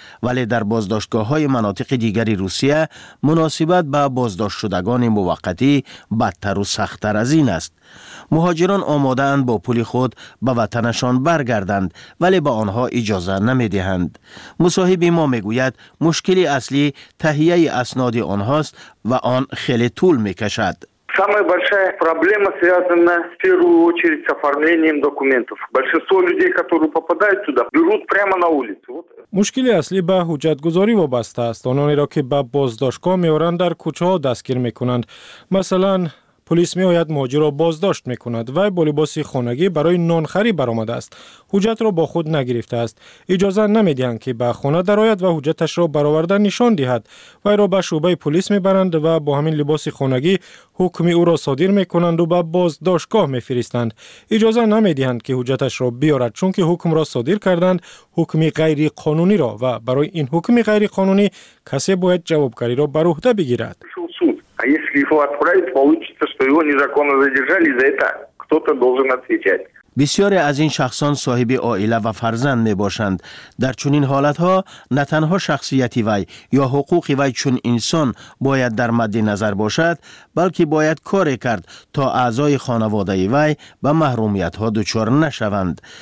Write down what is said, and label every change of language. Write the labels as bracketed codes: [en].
[fa] ولی در بازداشتگاه های مناطق دیگری روسیه مناسبت به بازداشت شدگان موقتی بدتر و سختر از این است. مهاجران آماده اند با پول خود به وطنشان برگردند، ولی به آنها اجازه نمی دهند. مصاحب ما می گوید مشکل اصلی تهیه اسناد آنهاست و آن خیلی طول می کشد. [ru] Самая большая проблема связана в первую очередь с оформлением документов. Большинство людей, которые попадают сюда, берут прямо на улицу. [tg] Мушкили асли ба худжатгузори вобаста аст. Онони ро ки ба боздошко меоран дар кучао дастгир мекунанд. [fa] Масалан پلیس می آید مهاجر را بازداشت می کند و با لباس خانگی برای نانخری برآمده است. حجت را با خود نگرفته است. اجازه نمی دهند که به خانه درآید و حجتش را برآورده نشان دهد. وی را به شعبه پلیس می برند و با همین لباس خانگی حکم او را صادر می کنند و به بازداشتگاه می فرستند. اجازه نمی دهند که حجتش را بیارد، چون که حکم را صادر کردند حکم غیر قانونی را، و برای این حکم غیر قانونی کسی باید جوابگری را بر عهده بگیرد. [ru] А если его отправить, получится, что его незаконно задержали, за это кто-то должен отвечать. [fa] بسیاری از این شخصان صاحب عائله و فرزند می باشند. در چنین حالتها نه تنها شخصیتی وی یا حقوق وی چون انسان باید در مد نظر باشد، بلکه باید کاری کرد تا اعضای خانواده وی به محرومیت ها دچار نشوند.